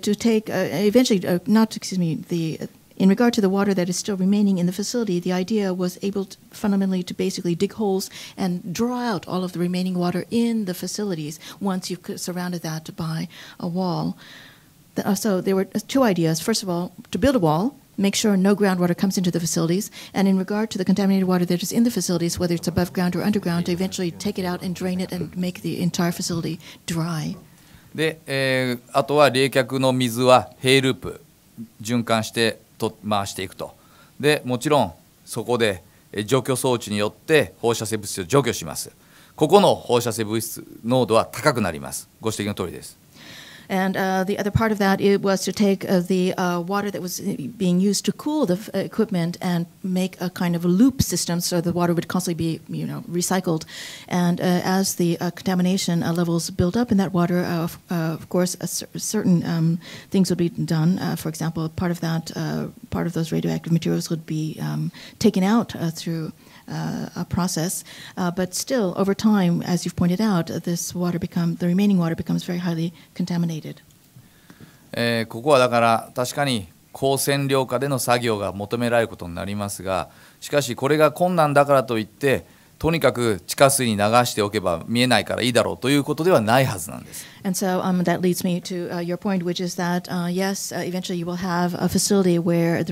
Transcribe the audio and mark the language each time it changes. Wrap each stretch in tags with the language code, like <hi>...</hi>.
<en>In regard to the water that is still remaining in the facility, the idea was able to fundamentally to basically dig holes and draw out all of the remaining water in the facilities once you've surrounded that by a wall. So there were two ideas. First of all, to build a wall, make sure no groundwater comes into the facilities, and in regard to the contaminated water that is in the facilities, whether it's above ground or underground, to eventually take it out and drain it and make the entire facility dry.</en> <ja>で、あとは冷却の水はヘイループ循環して回していくと。で、もちろんそこで除去装置によって放射性物質を除去します。ここの放射性物質濃度は高くなります。ご指摘の通りです。</ja> <en>And the other part of that, it was to take the water that was being used to cool the equipment and make a kind of a loop system so the water would constantly be, you know, recycled. And as the contamination levels build up in that water, of course, certain things would be done. For example, part of that, part of those radioactive materials would be taken out through a process, but still, over time, as you've pointed out, this water become the remaining water becomes very highly contaminated.</en> <ja>ここはだから確かに高線量下での作業が求められることになりますが、しかしこれが困難だからといって、とにかく地下水に流しておけば見えないからいいだろうということではないはずなんです。</ja> <en>And so that leads me to your point, which is that yes, eventually you will have a facility where the</en>